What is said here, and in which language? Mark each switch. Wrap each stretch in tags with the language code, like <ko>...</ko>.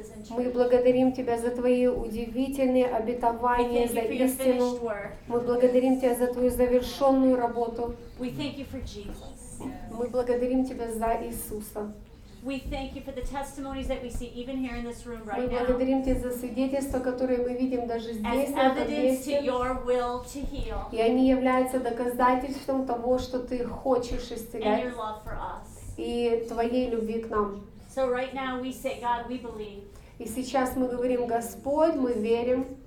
<ru>Мы благодарим Тебя за Твои удивительные обетования, за истину. Мы благодарим Тебя за Твою завершенную работу. Мы благодарим Тебя за Иисуса.</ru> <en>We thank you for the testimonies that we see even here in this room right now.</en> <ru>Мы благодарим Тебя за свидетельства, которые мы видим даже здесь, на этом месте. И они являются доказательством того, что Ты хочешь исцелять.</ru> <en>And your love for us.</en> <ru>И Твоей любви к нам.</ru> <en>So right now we say, God, we believe.</en> <ru>И сейчас мы говорим, Господь, мы верим.</ru>